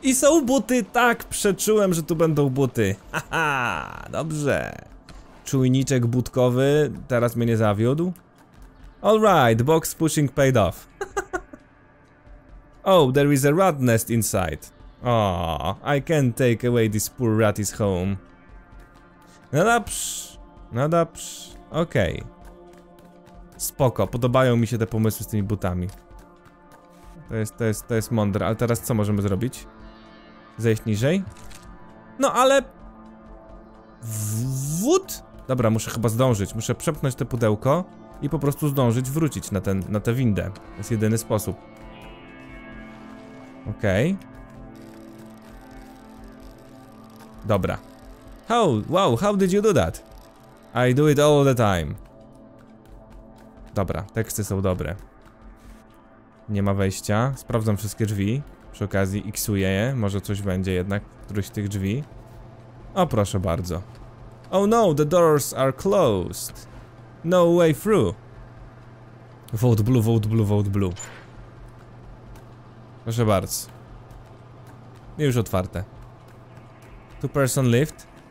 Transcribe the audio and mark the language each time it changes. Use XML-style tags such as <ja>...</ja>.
<pl>I są buty, tak, przeczułem, że tu będą buty. Haha, dobrze. Czujniczek butkowy teraz mnie nie zawiódł.</pl> <en>Alright, box pushing paid off. Oh, there is a rat nest inside. Oh, I can't take away this poor rat's home.</en> <pl>No dobrze. Okej. Spoko, podobają mi się te pomysły z tymi butami. To jest mądre, ale teraz co możemy zrobić? Zejść niżej? No ale... Wód? Dobra, muszę chyba zdążyć, muszę przepchnąć to pudełko i po prostu zdążyć wrócić na ten, na tę windę. To jest jedyny sposób. Okej.</pl> <en>Dobra. How did you do that? I do it all the time.</en> <pl>Dobra, teksty są dobre. Nie ma wejścia. Sprawdzam wszystkie drzwi. Przy okazji x-uję je. Może coś będzie jednak w któryś z tych drzwi. O, proszę bardzo.</pl> <en>Oh no, the doors are closed. No way through. Vote blue.</en> <pl>Proszę bardzo. Już otwarte.</pl> <en>Two person lift.</en>